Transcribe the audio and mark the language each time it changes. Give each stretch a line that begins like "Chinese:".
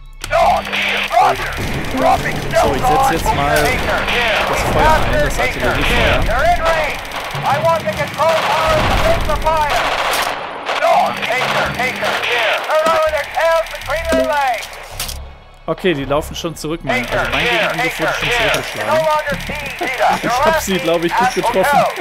German: So, ich setze jetzt mal das Feuer ein, das hatte der nicht mehr.
English: I want the control tower to take the fire! Acre, here! Throw the tails between their legs!
German: Okay, die laufen schon zurück, also mein Gegenangriff wurde schon zurückgeschlagen. Ich hab sie, glaube ich, gut getroffen.